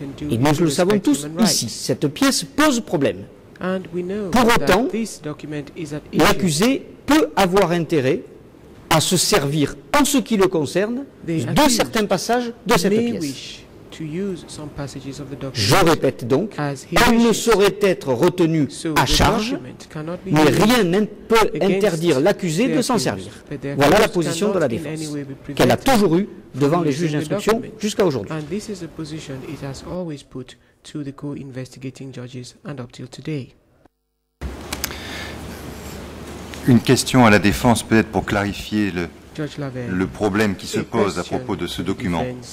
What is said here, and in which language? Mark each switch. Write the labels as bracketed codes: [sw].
[fr] Et nous le savons tous ici, cette pièce pose problème. Pour autant, l'accusé peut avoir intérêt à se servir, en ce qui le concerne, de certains passages de cette pièce. Je répète donc, elle ne saurait être retenue à charge, mais rien ne peut interdire l'accusé de s'en servir. Voilà la position de la défense, qu'elle a toujours eue devant les juges d'instruction jusqu'à aujourd'hui. [en] And this is a position it has always put to the co-investigating judges and up till today. [fr] Une question à la défense peut-être pour clarifier le problème qui se pose à propos de ce document.